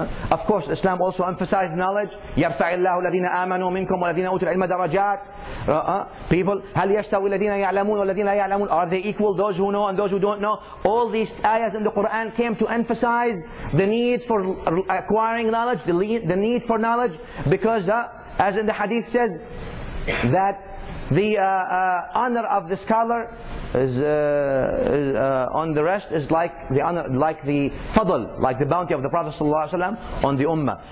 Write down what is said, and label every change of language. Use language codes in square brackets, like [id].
[en] Of course, Islam also emphasizes knowledge. [ar] يَرْفَعِ اللَّهُ الَّذِينَ آمَنُوا مِنْكُمْ وَالَّذِينَ أُوتُوا الْعِلْمَ دَرَجَاتِ People, هَلْ يَشْتَوِ الَّذِينَ يَعْلَمُونَ وَالَّذِينَ لَا يَعْلَمُونَ [en] Are they equal, those who know and those who don't know? All these ayahs in the Quran came to emphasize the need for acquiring knowledge, the need for knowledge, because as in the hadith says, that the honor of the scholar is on the rest is like the honor, like the fadl, like the bounty of the Prophet sallallahu alaihi wasallam on the ummah.